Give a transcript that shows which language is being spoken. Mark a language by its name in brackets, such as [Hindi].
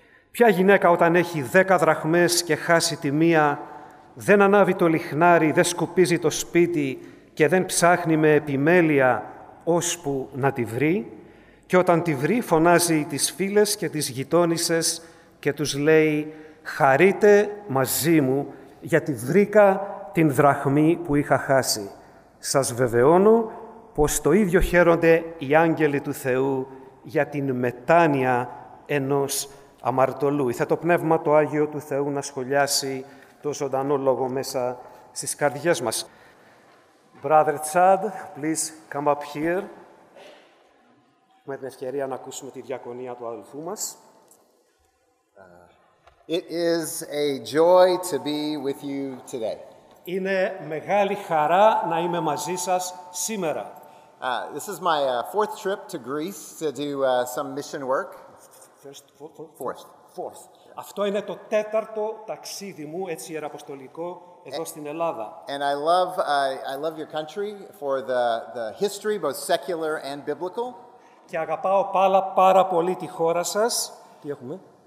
[Greek] Ποια γυναίκα όταν έχει 10 δραχμές και χάσει τη μία, δεν ανάβει το λιχνάρι, δεν σκουπίζει το σπίτι και δεν ψάχνει με επιμέλεια ώσπου να τη βρει, και όταν τη βρει φωνάζει τις φίλες και τις γειτόνισσες και τους λέει «Χαρείτε μαζί μου, γιατί βρήκα την δραχμή που είχα χάσει». Σας βεβαιώνω πως το ίδιο χαίρονται οι άγγελοι του Θεού για την μετάνοια ενός αμαρτωλού. Ήθε το Πνεύμα το Άγιο του Θεού να σχολιάσει το ζωντανό λόγο μέσα στις καρδιές μας. [English] Brother Chad, please come up here. [Greek] Με την ευκαιρία να ακούσουμε τη διακονία του αδελφού μας. [English] It is a joy to be with you today. [Greek] Είναι μεγάλη χαρά να είμαι μαζί σας σήμερα. [English] This is my fourth trip to Greece to do some mission work. Fourth. [Greek] Αυτό είναι το τέταρτο ταξίδι μου, έτσι ιεραποστολικό, εδώ στην Ελλάδα. [English] And I love your country for the history, both secular and biblical. [Greek] Και αγαπάω πάρα πολύ τη χώρα σας. Τι έχουμε?